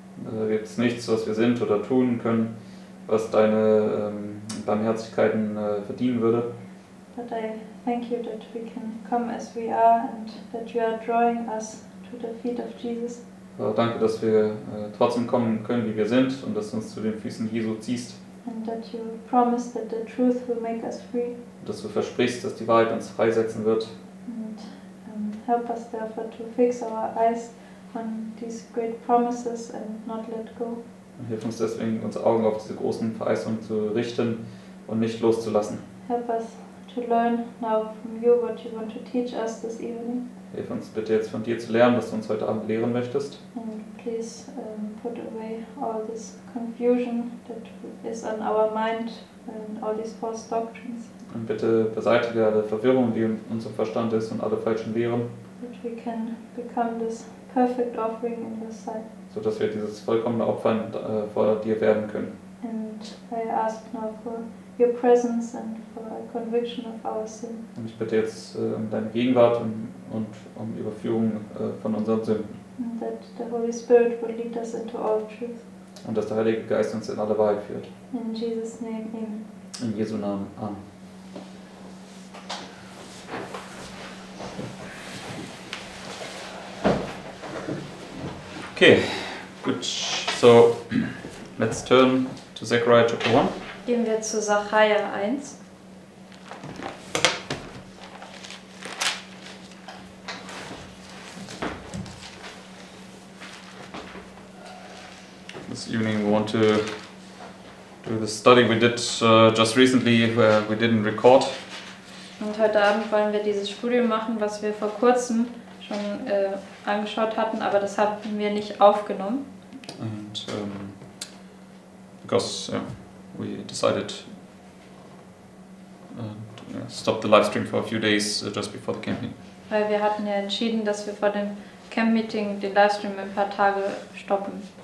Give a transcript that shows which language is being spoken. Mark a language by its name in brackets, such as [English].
[German] Also gibt es nichts, was wir sind oder tun können, was deine Barmherzigkeiten verdienen würde. [English] But I thank you that we can come as we are and that you are drawing us to the feet of Jesus. [German] Aber danke, dass wir trotzdem kommen können, wie wir sind, und dass du uns zu den Füßen Jesu ziehst. [English] And that you promise that the truth will make us free. [German] Und dass du versprichst, dass die Wahrheit uns freisetzen wird. [English] And help us therefore to fix our eyes on these great promises and not let go. [German] Und hilf uns deswegen, unsere Augen auf diese großen Verheißungen zu richten und nicht loszulassen. [English] Help us to learn now from you what you want to teach us this evening. [German] Hilf uns bitte jetzt von dir zu lernen, was du uns heute Abend lehren möchtest. [English] And please put away all this confusion that is on our mind and all these false doctrines. [German] Und bitte beseitige alle Verwirrung, die in unserem Verstand ist, und alle falschen Lehren. [English] That we can become this perfect offering in your sight. [German] So dass wir dieses vollkommene Opfer vor dir werden können. [English] And I ask now for your presence and for a conviction of our sin. [German] Und ich bitte jetzt um deine Gegenwart und um Überführung von unseren Sünden. [English] And that the Holy Spirit will lead us into all truth. [German] Und dass der Heilige Geist uns in alle Wahrheit führt. [English] In Jesus' name, amen. [German] In Jesu Namen, amen. [English] Okay, gut. So, let's turn to Zechariah chapter 1. [German] Gehen wir zu Zacharja 1. [English] This evening we want to do the study we did just recently, where we didn't record. [German] Und heute Abend wollen wir dieses Studium machen, was wir vor kurzem schon angeschaut hatten, aber das haben wir nicht aufgenommen. [English] And because we decided to stop the live stream for a few days just before the camp meeting. [German] Weil wir hatten ja entschieden, dass wir vor dem Camp Meeting den Livestream ein paar Tage stoppen.